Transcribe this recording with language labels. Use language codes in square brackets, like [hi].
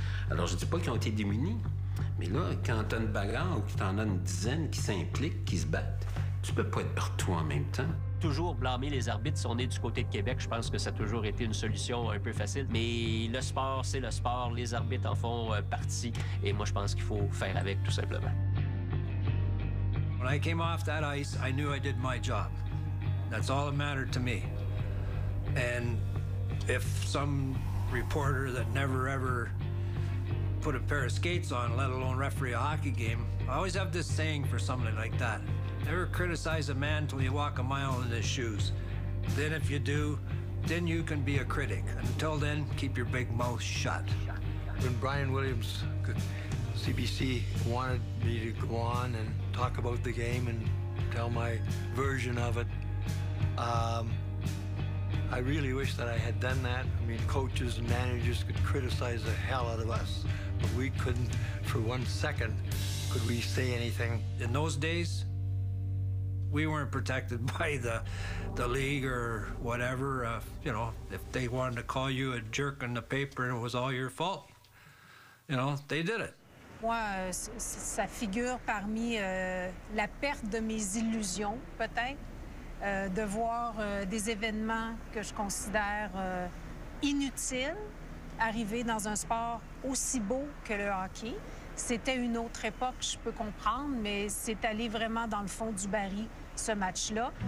[fr] Alors, je ne dis pas qu'ils ont été démunis, mais là, quand tu as une bagarre ou que tu en as une dizaine qui s'impliquent, qui se battent, tu peux pas être partout en même temps. Toujours blâmer les arbitres si on est du côté de Québec. Je pense que ça a toujours été une solution un peu facile. Mais le sport, c'est le sport. Les arbitres en font partie. Et moi, je pense qu'il faut faire avec, tout simplement. [en] When I came off that ice, I knew I did my job. That's all that mattered to me. And if some reporter that never ever put a pair of skates on, let alone referee a hockey game, I always have this saying for something like that. Never criticize a man till you walk a mile in his shoes. Then if you do, then you can be a critic. Until then, keep your big mouth shut. When Brian Williams, CBC, wanted me to go on and talk about the game and tell my version of it, I really wish that I had done that. I mean, coaches and managers could criticize the hell out of us, but we couldn't, for one second, could we say anything. In those days, we weren't protected by the league or whatever. You know, if they wanted to call you a jerk in the paper and it was all your fault, you know, they did it. [fr] Moi, ça figure parmi la perte de mes illusions, peut-être, de voir des événements que je considère inutiles arriver dans un sport aussi beau que le hockey. C'était une autre époque, je peux comprendre, mais c'est aller vraiment dans le fond du baril. Ce match-là.